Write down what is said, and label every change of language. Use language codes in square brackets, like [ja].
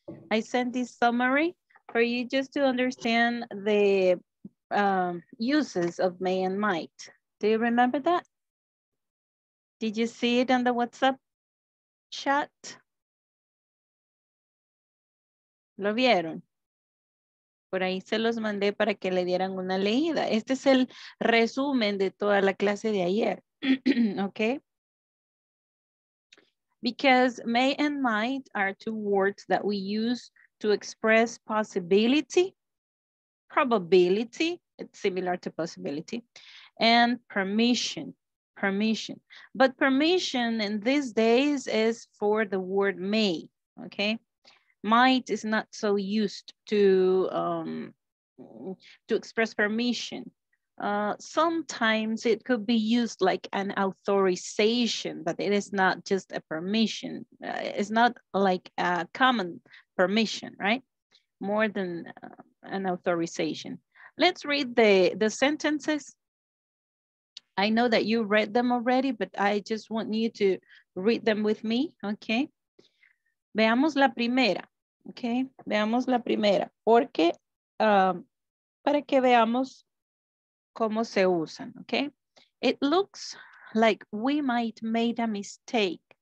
[en] I sent this summary for you just to understand the uses of may and might. Do you remember that? Did you see it on the WhatsApp chat? [es] ¿Lo vieron? Por ahí se los mandé para que le dieran una leída. Este es el resumen de toda la clase de ayer. [en] Okay. Because may and might are two words that we use to express possibility, probability, it's similar to possibility, and permission, permission. But permission in these days is for the word may, okay? Might is not so used to express permission. Sometimes it could be used like an authorization, but it is not just a permission. It's not like a common permission, right? More than an authorization. Let's read the sentences. I know that you read them already, but I just want you to read them with me, okay? [es] Veamos la primera, okay? Veamos la primera, porque para que veamos cómo se usan, okay? [en] It looks like we might made a mistake.